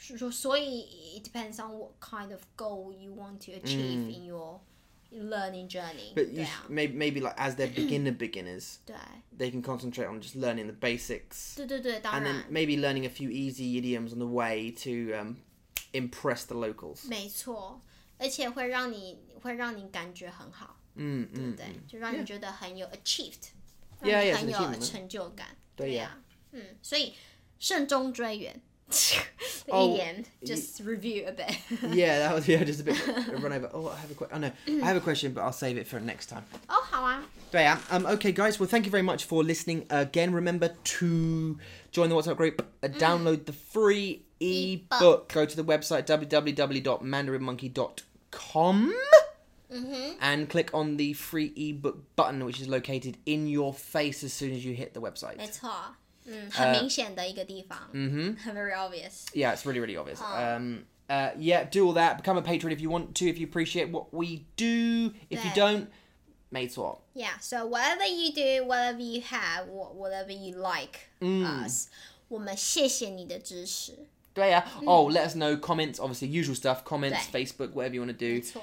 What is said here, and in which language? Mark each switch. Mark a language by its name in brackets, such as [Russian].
[English] So it depends on what kind of goal you want to achieve in your learning journey. But you maybe like as they're beginners, they can concentrate on just learning the basics. [Chinese] 对对对, [English] and then maybe learning a few easy idioms on the way to impress the locals. [Chinese] 没错，而且会让你感觉很好。嗯，对不对？就让你觉得很有achieved， yeah，很有成就感。对呀，嗯，所以慎终追远，一言， [English] just review a bit. yeah, that was just a bit run over. Oh, I have a question. Oh no, I have a question, but I'll save it for next time. [Chinese] Oh,好啊。对啊。 [English] Okay, guys. Well, thank you very much for listening again. Remember to join the WhatsApp group. Download the free ebook. Go to the website www.mandarinmonkey.com. Mm-hmm. And click on the free ebook button, which is located in your face as soon as you hit the website. [Chinese] 没错，嗯，很明显的一个地方。 [English] Very obvious. Yeah, it's really, really obvious. Yeah, do all that. Become a patron if you want to, if you appreciate what we do. If you don't, [Chinese] 没错. [English] Yeah, so whatever you do, whatever you have, whatever you like us, [Chinese] 我们谢谢你的支持。 [English] 对啊, oh, let us know, comments, obviously, usual stuff, comments, Facebook, whatever you want to do.